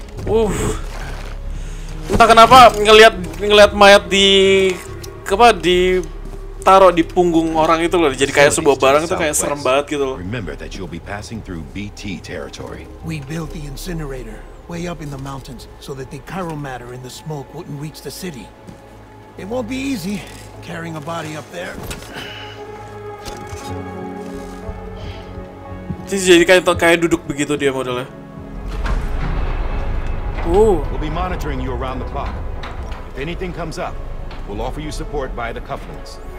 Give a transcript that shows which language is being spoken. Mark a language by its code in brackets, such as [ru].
[id] Oof. Entah kenapa ngelihat mayat di apa di taruh di punggung orang itu loh, jadi kayak sebuah barang itu kayak serem banget gitu loh. [en] Remember that you'll be passing through BT territory. We built the incinerator way up in the mountains so that the chiral matter in the smoke wouldn't reach the city. It won't be easy carrying a body up there. [id] Jadi kayak duduk begitu dia modelnya. Ooh. [en] We'll be monitoring you around the clock. If anything comes up, we'll offer you support via the cufflinks.